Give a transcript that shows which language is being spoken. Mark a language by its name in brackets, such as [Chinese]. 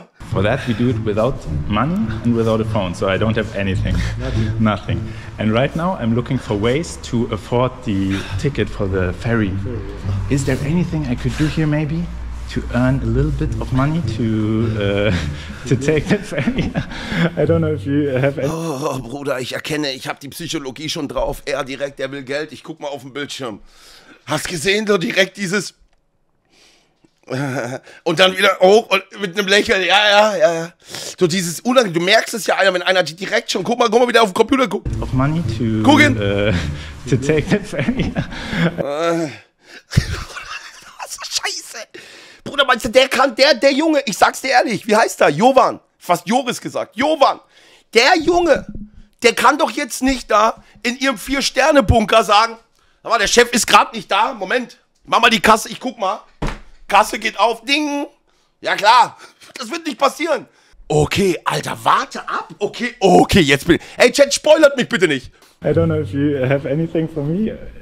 [English] For that we do it without money and without a phone, so I don't have anything, nothing. And right now I'm looking for ways to afford the ticket for the ferry. Is there anything I could do here maybe to earn a little bit of money to take the ferry? I don't know if you have any. [German] Oh, Bruder, ich erkenne, ich habe die Psychologie schon drauf. Er direkt, er will Geld. Ich guck mal auf den Bildschirm. Hast gesehen, so direkt dieses und dann wieder hoch und mit einem Lächeln, ja. So dieses Unangenehm, du merkst es ja, einer, wenn einer direkt schon, guck mal, wieder auf den Computer guckt. [English] Of money to to take the ferry. [German] Was ist Scheiße? Bruder, meinst du, der Junge, ich sag's dir ehrlich, wie heißt der? Jovan, fast Joris gesagt, Jovan, der Junge, der kann doch jetzt nicht da in ihrem Vier-Sterne-Bunker sagen, aber der Chef ist gerade nicht da. Moment, mach mal die Kasse, ich guck mal. Kasse geht auf, Ding. Ja klar, das wird nicht passieren. Okay, Alter, warte ab. Okay, jetzt bin ich. Hey, Chat, spoilert mich bitte nicht. [English] I don't know if you have anything for me.